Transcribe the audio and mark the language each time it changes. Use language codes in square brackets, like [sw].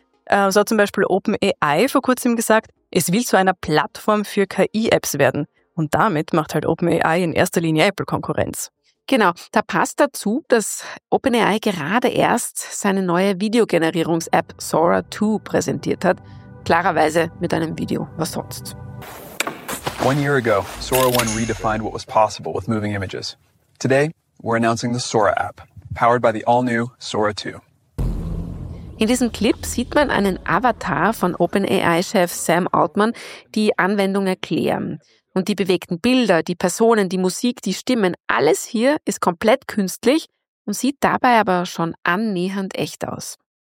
[de] So hat zum Beispiel OpenAI vor kurzem gesagt, es will zu einer Plattform für KI-Apps werden. Und damit macht halt OpenAI in erster Linie Apple Konkurrenz. Genau, da passt dazu, dass OpenAI gerade erst seine neue Videogenerierungs-App Sora 2 präsentiert hat. Klarerweise mit einem Video, was sonst. [en] One year ago, Sora 1 redefined what was possible with moving images. Today, we're announcing the Sora app, powered by the all-new Sora 2. [de] In diesem Clip sieht man einen Avatar von OpenAI-Chef Sam Altman die Anwendung erklären. Und die bewegten Bilder, die Personen, die Musik, die Stimmen, alles hier ist komplett künstlich und sieht dabei aber schon annähernd echt aus.